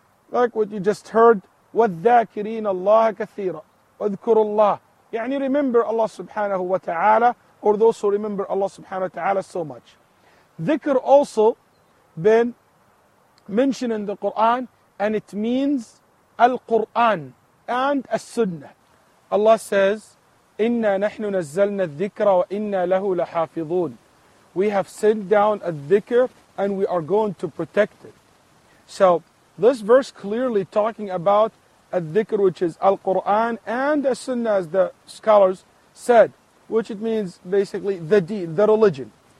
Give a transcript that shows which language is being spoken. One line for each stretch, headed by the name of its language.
English: Like what you just heard,
Arabic: وَالذَّاكِرِينَ اللَّهَ كَثِيرًا وَاذْكُرُ اللَّهِ.
English: يعني remember Allah subhanahu wa ta'ala, or those who remember Allah subhanahu wa ta'ala so much. Dhikr also been mentioned in the Qur'an, and it means Al-Qur'an and As-Sunnah. Allah says,
Arabic: إِنَّا نَحْنُ نَزَّلْنَا الذِّكْرَ وَإِنَّا لَهُ لَحَافِظُونَ.
English: We have sent down a dhikr and we are going to protect it. So this verse clearly talking about a dhikr, which is Al-Quran and as sunnah, as the scholars said, which it means basically the deen, the religion.